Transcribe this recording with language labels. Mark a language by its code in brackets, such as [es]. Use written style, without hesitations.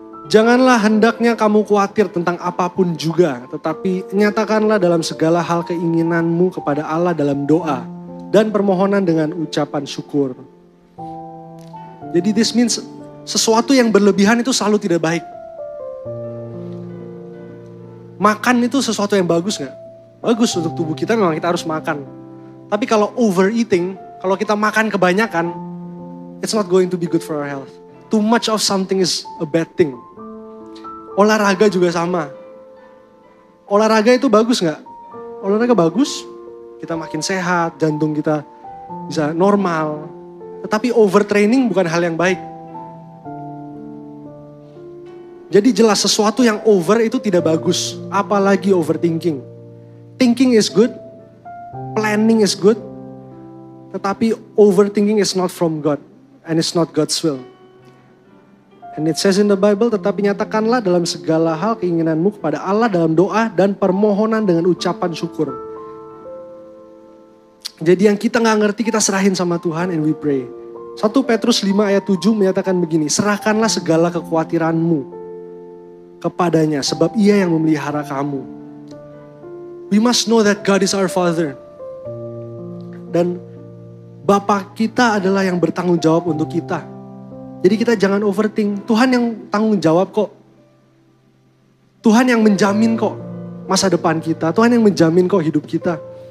[id] Janganlah hendaknya kamu khawatir tentang apapun juga, tetapi nyatakanlah dalam segala hal keinginanmu kepada Allah dalam doa dan permohonan dengan ucapan syukur. Jadi [en] this means [id] sesuatu yang berlebihan itu selalu tidak baik. Makan itu sesuatu yang bagus gak? Bagus untuk tubuh kita, memang kita harus makan. Tapi kalau [en] overeating, [id] kalau kita makan kebanyakan, [en] it's not going to be good for our health. Too much of something is a bad thing. [id] Olahraga juga sama. Olahraga itu bagus gak? Olahraga bagus, kita makin sehat, jantung kita bisa normal. Tetapi overtraining bukan hal yang baik. Jadi jelas sesuatu yang over itu tidak bagus. [en] Apalagi overthinking. Thinking is good. Planning is good. [id] Tetapi [en] overthinking is not from God. And it's not God's will. And it says in the Bible, [id] tetapi nyatakanlah dalam segala hal keinginanmu kepada Allah dalam doa dan permohonan dengan ucapan syukur. Jadi yang kita gak ngerti kita serahin sama Tuhan [en] and we pray. [id] 1 Petrus 5 ayat 7 menyatakan begini, serahkanlah segala kekhawatiranmu kepadanya sebab ia yang memelihara kamu. [en] We must know that God is our Father. [id] Dan Bapa kita adalah yang bertanggung jawab untuk kita. Jadi kita jangan overthink. Tuhan yang tanggung jawab kok. Tuhan yang menjamin kok masa depan kita. Tuhan yang menjamin kok hidup kita.